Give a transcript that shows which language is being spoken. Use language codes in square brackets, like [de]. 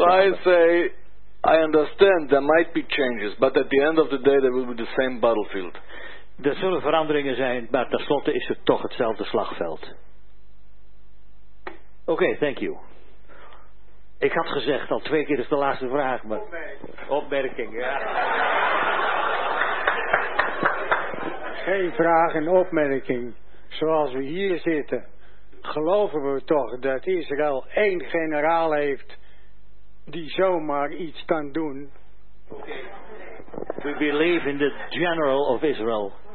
[en] So I say, I understand there might be changes, but at the end of the day there will be the same battlefield. [nl] Er zullen veranderingen zijn, maar tenslotte is het toch hetzelfde slagveld. [en] Oké, thank you. [nl] Ik had gezegd, al twee keer is de laatste vraag, maar... Opmerking, ja. Geen vraag, een opmerking. Zoals we hier zitten, geloven we toch dat Israël één generaal heeft die zomaar iets kan doen? [en] We believe in the general of Israel.